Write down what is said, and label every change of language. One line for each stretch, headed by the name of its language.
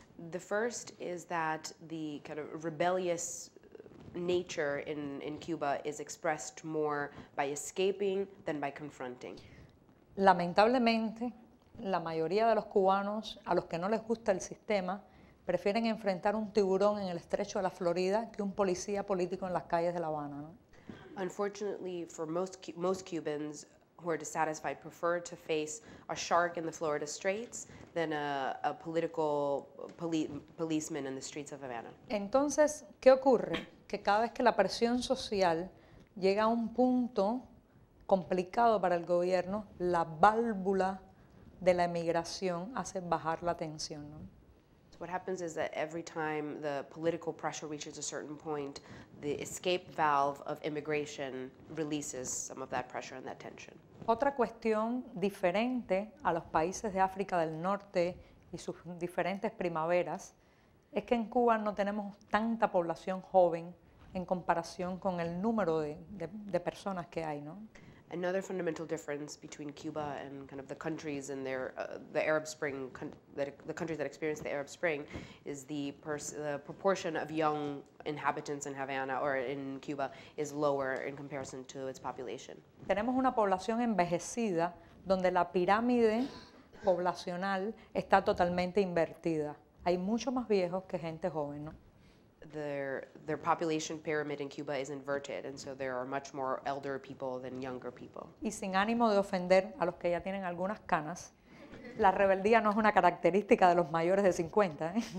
English: The first is that the kind of rebellious nature in Cuba is expressed more by escaping than by confronting.
Spanish: Lamentablemente, la mayoría de los cubanos a los que no les gusta el sistema prefieren enfrentar un tiburón en el estrecho de la Florida que un policía político en las calles de La Habana, ¿no?
English: Unfortunately, for most Cubans who are dissatisfied prefer to face a shark in the Florida Straits than a political policeman in the streets of Havana.
Spanish: Entonces, ¿qué ocurre? Que cada vez que la presión social llega a un punto complicado para el gobierno, la válvula de la emigración hace bajar la tensión, ¿no?
English: What happens is that every time the political pressure reaches a certain point, the escape valve of immigration releases some of that pressure and that tension.
Spanish: Otra cuestión diferente a los países de África del Norte y sus diferentes primaveras es que en Cuba no tenemos tanta población joven en comparación con el número de personas que hay, ¿no?
English: Another fundamental difference between Cuba and kind of the countries and their the Arab Spring the countries that experienced the Arab Spring is the proportion of young inhabitants in Havana or in Cuba is lower in comparison to its population.
Spanish: Tenemos una población envejecida donde la pirámide poblacional está totalmente invertida. Hay mucho más viejos que gente joven, ¿no?
English: Their population pyramid in Cuba is inverted, and so there are much more elder people than younger people.
Spanish: Y sin ánimo de ofender a los que ya tienen algunas canas, la rebeldía no es una característica de los mayores de 50.